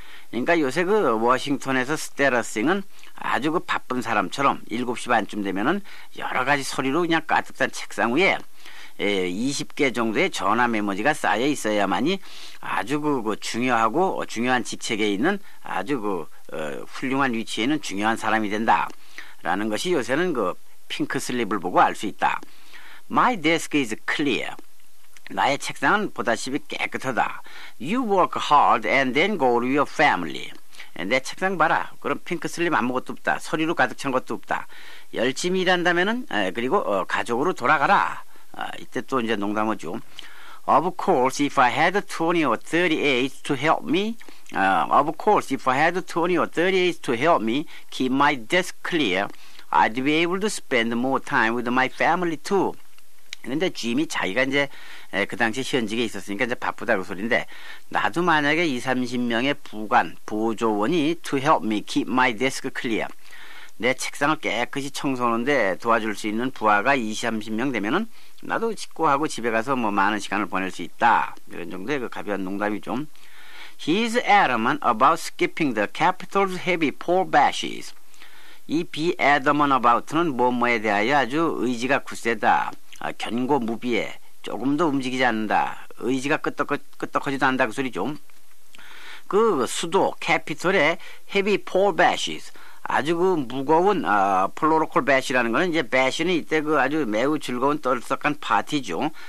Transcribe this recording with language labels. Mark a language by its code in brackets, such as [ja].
[ko] 그러니까 요새 그 워싱턴에서 스테라싱은 아주 그 바쁜 사람처럼 7시 반쯤 되면은 여러 가지 서류로 그냥 까득한 책상 위에 20개 정도의 전화 메모지가 쌓여 있어야만이 아주 그 중요하고 중요한 직책에 있는 아주 그 훌륭한 위치에 있는 중요한 사람이 된다라는 것이 요새는 그 핑크 슬립을 보고 알 수 있다. [en] My desk is clear. [ko] 나의 책상은 보다시피 깨끗하다. [en] You work hard and then go to your family. [ko] 내 책상 봐라. 그럼 핑크 슬립 아무것도 없다. 서류로 가득 찬 것도 없다. 열심히 일한다면은 그리고 가족으로 돌아가라. 이때 또 이제 농담하죠. [en] Of course, if I had 20 or 38 to help me, of course, if I had 20 or 38 to help me keep my desk clear, I'd be able to spend more time with my family too. [ko] 근데 짐이 자기가 이제 그 당시 현직에 있었으니까 이제 바쁘다 그 소리인데 나도 만약에 20-30명의 부관 보조원이 [en] to help me keep my desk clear [ko] 내 책상을 깨끗이 청소하는데 도와줄 수 있는 부하가 20-30명 되면은 나도 식구하고 집에 가서 뭐 많은 시간을 보낼 수 있다 이런 정도의 그 가벼운 농담이 좀. [en] He is adamant about skipping the capital's heavy poor bashes. [ko] 이 [en] be adamant about [ko] 는 뭐뭐에 대하여 아주 의지가 굳세다. 견고무비에 조금도 움직이지 않는다. 의지가 끄떡거리지도 않는다 그 소리죠. 그 수도 캐피털의 [en] heavy poor bashes [ko] 아주 그 무거운 플로로콜 bash라는 거는 이제 bash는 이때 그 아주 매우 즐거운 떨썩한 파티죠.